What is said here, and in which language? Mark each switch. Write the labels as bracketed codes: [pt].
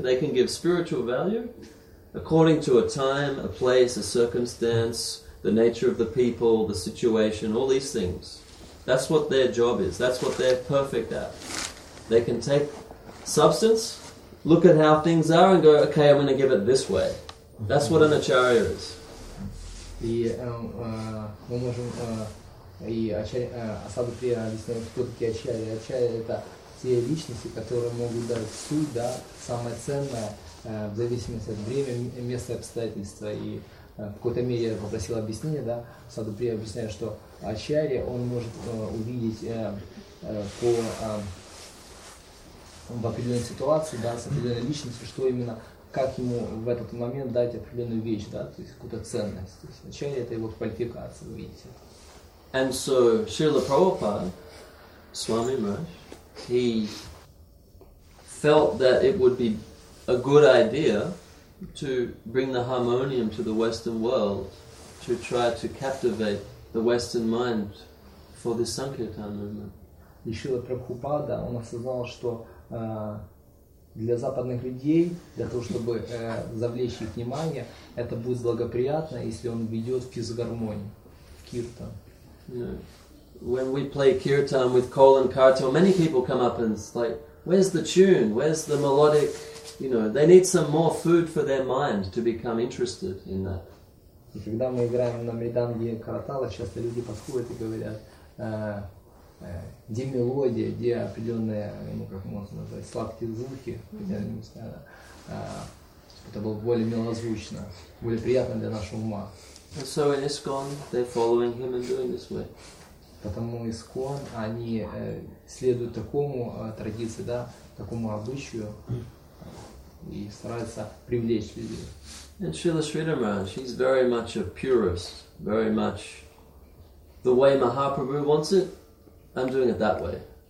[en] They can give spiritual value according to a time, a place, a circumstance, the nature of the people, the situation, all these things. That's what their job is. That's what they're perfect at. They can take substance, look at how things are and go, okay, I'm going to give it this way. That's what an acharya is. [ru] И мы можем и осаду прия объясняем, кто такие ачарьи. Ачарьи – это те личности, которые могут дать суть, да, самое ценное, в зависимости от времени, места и обстоятельства. И в какой-то мере я попросил объяснение, да, осаду прия объясняет, что ачарьи, он может увидеть в определенной ситуации, да, с определенной личностью, что именно как ему в этот момент дать определенную вещь, да, то есть какую-то ценность. То есть вначале это его квалификация, вы видите. [en] And so Srila Prabhupada, Swami Maharaj, he felt that it would be a good idea to bring the harmonium to the Western world to try to captivate the Western mind for the Sankirtan movement. [ru] И Шрила Прабхупада, он осознал, что для западных людей, для того, чтобы завлечь их внимание, это будет благоприятно, если он ведет в физгармонию, в киртан. [en] When we play kirtan with Colin Cartel, many people come up and it's like, where's the tune? Where's the melodic? You know, they need some more food for their mind to become interested in that. [ru] И когда мы играем на мриданге каратала, часто люди подходят и говорят, где мелодия, где определенные, ну как можно назвать, сладкие звуки, хотя не знаю, чтобы это было более мелозвучно, более приятно для нашего ума. [en] And so in ISKCON, they're following him and doing this way. [ru] Потому ISKCON, они следуют такому традиции, да, такому обычаю, и стараются привлечь людей. [en] And Srila Sridhar Maharaj, he's very much a purist, very much the way Mahaprabhu wants it, I'm doing it that way.